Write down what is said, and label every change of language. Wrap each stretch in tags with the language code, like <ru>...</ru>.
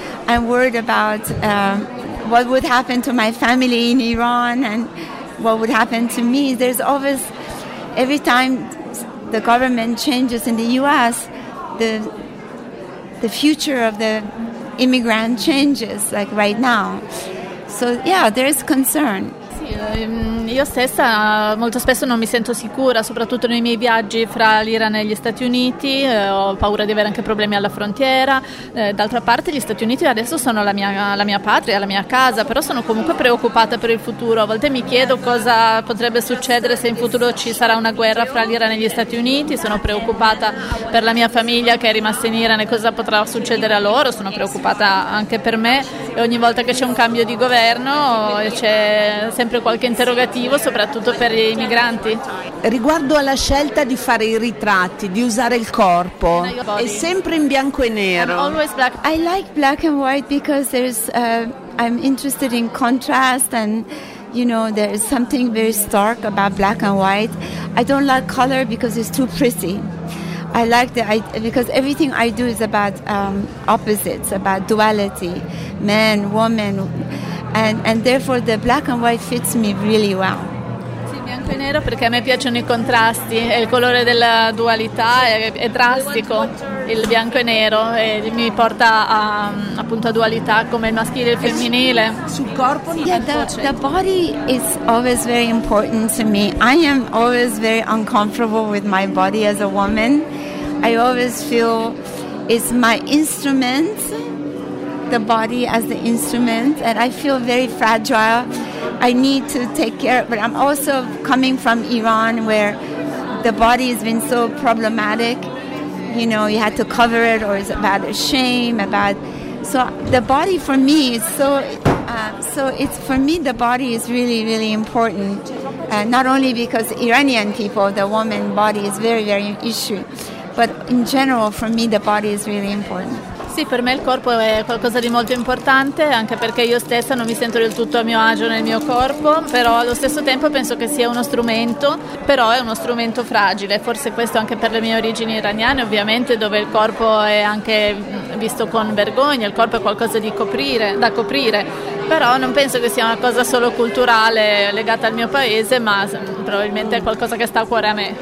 <en>I'm worried about what would happen to my family in Iran and what would happen to me. There's always, every time the government changes in the U.S., the future of the immigrant changes, like right now. So, yeah, there is concern.</en> <it>Io stessa molto spesso non mi sento sicura, soprattutto nei miei viaggi fra l'Iran e gli Stati Uniti, ho paura di avere anche problemi alla frontiera. D'altra parte gli Stati Uniti adesso sono la mia patria, la mia casa, però sono comunque preoccupata per il futuro. A volte mi chiedo cosa potrebbe succedere se in futuro ci sarà una guerra fra l'Iran e gli Stati Uniti, sono preoccupata per la mia famiglia che è rimasta in Iran e cosa potrà succedere a loro, sono preoccupata anche per me e ogni volta che c'è un cambio di governo c'è sempre qualche interrogativo, soprattutto per i migranti. Riguardo alla scelta di fare i ritratti, di usare il corpo, è sempre in bianco e nero.</it> <en>I'm always black. I like black and white because there's I'm interested in contrast and you know there's something very stark about black and white. I don't like color because it's too pretty. I like the because everything I do is about opposites, about duality, men, women. And therefore the black and white fits me really well.</en> <it>Sì, bianco e nero perché a me piacciono i contrasti, è il colore della dualità, è drastico il bianco e nero e mi porta a, appunto a dualità come il maschile e il femminile. Sul corpo</it> <en>sì, the body is always very important to me. I am always very uncomfortable with my body as a woman. I always feel it's my instrument. The body as the instrument, and I feel very fragile. I need to take care, but I'm also coming from Iran where the body has been so problematic. You know, you had to cover it, or it's about shame, about. So the body for me is so. So it's for me, the body is really, really important. Not only because Iranian people, the woman body is very, very an issue, but in general, for me, the body is really important.</en> <it>Sì, per me il corpo è qualcosa di molto importante, anche perché io stessa non mi sento del tutto a mio agio nel mio corpo, però allo stesso tempo penso che sia uno strumento, però è uno strumento fragile, forse questo anche per le mie origini iraniane ovviamente, dove il corpo è anche visto con vergogna, il corpo è qualcosa di da coprire, però non penso che sia una cosa solo culturale legata al mio paese, ma probabilmente è qualcosa che sta a cuore a me.</it>